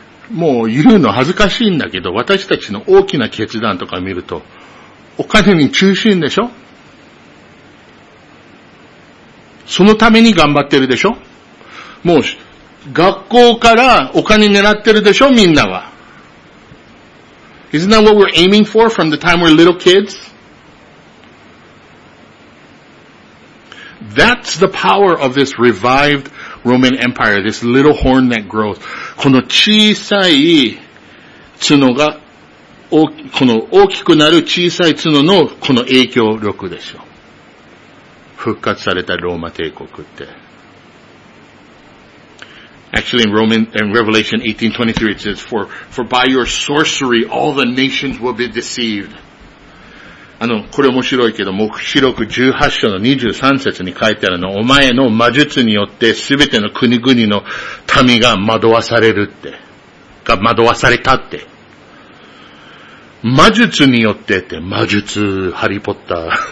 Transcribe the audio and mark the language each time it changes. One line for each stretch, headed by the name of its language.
Japanese: もう言うの恥ずかしいんだけど、私たちの大きな決断とか見るとお金に中心でしょ。そのために頑張ってるでしょ。もう学校からお金狙ってるでしょみんなは。
English: Isn't that what we're aiming for from the time we're little kids? That's the power of this revived Roman Empire, this little horn that grows.
Japanese: この小さい角が、この大きくなる小さい角のこの影響力でしょ。復活されたローマ帝国って。
English: Actually, in Revelation 18:23, it says, for by your sorcery, all the nations will be deceived.
Japanese: これ面白いけど、黙示録18章の23節に書いてあるの、お前の魔術によって全ての国々の民が惑わされるって。が惑わされたって。魔術によってって、魔術、ハリーポッター。